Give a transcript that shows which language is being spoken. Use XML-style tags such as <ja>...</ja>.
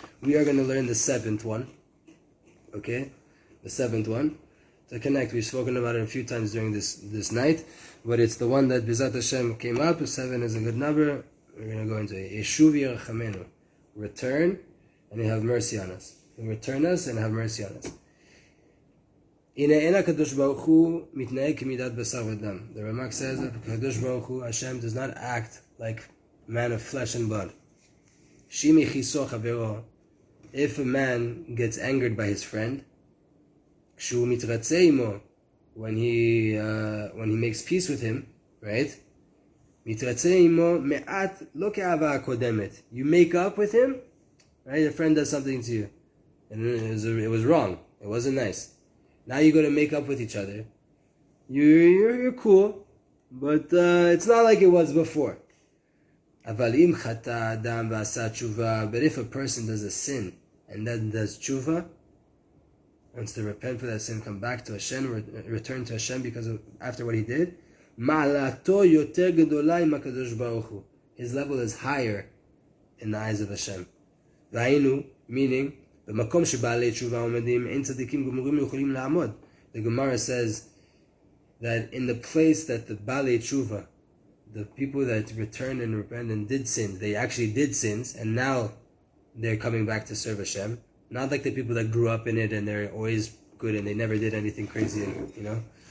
<en>We are going to learn the 7th one. Okay? The 7th one, to connect. We've spoken about it a few times during this night, but it's the one that Bizat Hashem came up. 7 is a good number. We're going to go into it.</en> <he>Yeshuv Yerachamenu.</he> <en>Return and have mercy on us. Return us and have mercy on us.</en> <he>הנה אין הקדוש ברוך הוא מתנהג כמידת בשר ודם.</he> <en>The Ramak says that הקדוש ברוך הוא, Hashem does not act like man of flesh and blood.</en> <he>שימ יחיסו חברו,</he> <en>if a man gets angered by his friend,</en> <he>כשהוא מתרצה עמו,</he> <en>when he makes peace with him, right?</en> <he>מתרצה עמו מעט, לא כאהבה הקודמת.</he> <en>You make up with him, right? A friend does something to you. And it was wrong. It wasn't nice. Now you're going to make up with each other. You're cool, but it's not like it was before.</en> <he>אבל אם חטא אדם ועשה תשובה,</he> <en>but if a person does a sin and then does תשובה, wants to repent for that sin, come back to Hashem, return to Hashem because of after what he did,</en> <he>מעלתו יותר גדולה עם הקדוש ברוך הוא.</he> <en>His level is higher in the eyes of Hashem.</en> <he>והיינו,</he> <en>meaning,</en> <he>במקום שבעלי תשובה עומדים, אין צדיקים גמורים יכולים לעמוד.</he> <en>The Gemara says that in the place that the בעלי תשובה, the people that returned and repented and did sins, they actually did sins, and now they're coming back to serve Hashem. Not like the people that grew up in it and they're always good and they never did anything crazy, you know?</en>